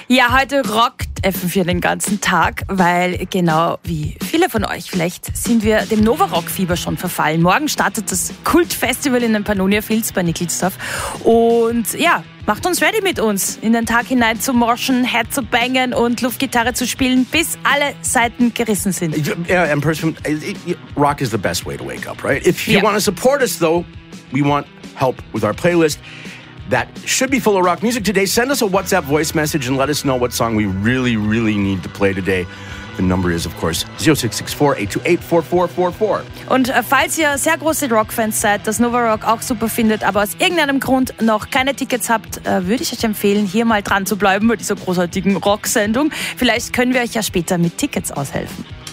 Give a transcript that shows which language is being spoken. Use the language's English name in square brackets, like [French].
[German] Ja, heute rockt FM4 den ganzen Tag, weil genau wie viele von euch vielleicht sind wir dem Nova-Rock-Fieber schon verfallen. Morgen startet das Kult-Festival in den Pannonia Fields bei Nikolsdorf. Und ja, macht uns ready mit uns, in den Tag hinein zu morschen, Head zu bangen und Luftgitarre zu spielen, bis alle Saiten gerissen sind. [English] Yeah, and personally, rock is the best way to wake up, right? If you want to support us, though, we want help with our playlist. That should be full of rock music today. Send us a WhatsApp voice message and let us know what song we really, really need to play today. The number is, of course, 0664-828-4444. [German] Und falls ihr sehr große Rockfans seid, das Nova Rock auch super findet, aber aus irgendeinem Grund noch keine Tickets habt, würde ich euch empfehlen, hier mal dran zu bleiben bei dieser großartigen Rocksendung. Vielleicht können wir euch ja später mit Tickets aushelfen.